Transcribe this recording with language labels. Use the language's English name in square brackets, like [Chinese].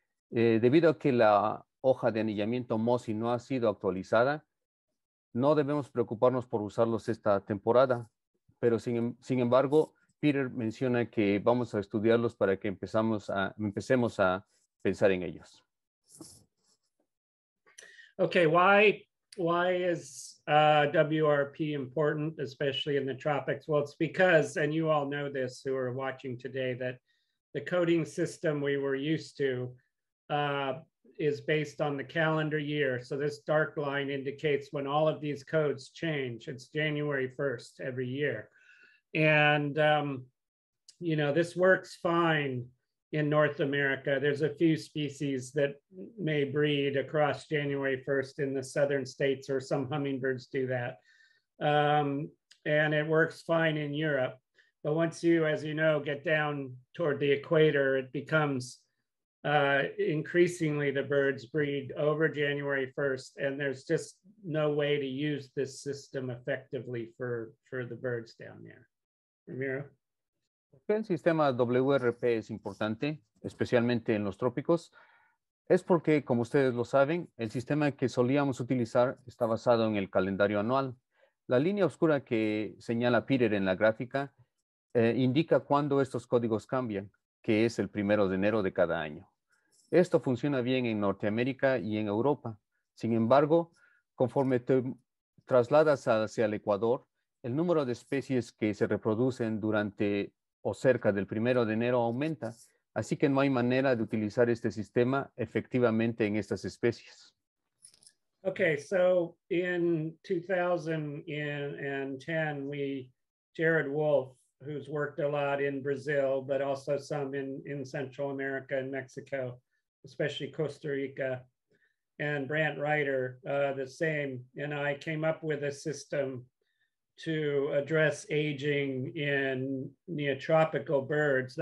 [Spanish] Debido a que la hoja de anillamiento MoSI no ha sido actualizada, no debemos preocuparnos por usarlos esta temporada, pero sin embargo, Peter menciona que vamos a estudiarlos para que empecemos a pensar en ellos. [English] Okay, why is WRP important, especially in the tropics? Well, it's because, and you all know this who are watching today, that the coding system we were used to is based on the calendar year. So this dark line indicates when all of these codes change. It's January 1st every year. And, you know, this works fine in North America. There's a few species that may breed across January 1st in the southern states, or some hummingbirds do that. And it works fine in Europe. But once you, as you know, get down toward the equator, it becomes increasingly the birds breed over January 1st, and there's just no way to use this system effectively for the birds down there. [Spanish] Ramiro. El sistema WRP es importante, especialmente en los trópicos. Es porque, como ustedes lo saben, el sistema que solíamos utilizar está basado en el calendario anual. La línea oscura que señala Peter en la gráfica indica cuándo estos códigos cambian, que es el primero de enero de cada año. Esto funciona bien en Norteamérica y en Europa. Sin embargo, conforme te trasladas hacia el Ecuador, el número de especies que se reproducen durante o cerca del primero de enero aumenta, así que no hay manera de utilizar este sistema efectivamente en estas especies. [English] Okay, so in 2010, Jared Wolf, who's worked a lot in Brazil, but also some in Central America and Mexico, especially Costa Rica, and Brant Ryder, the same, and I came up with a system to address aging in neotropical birds.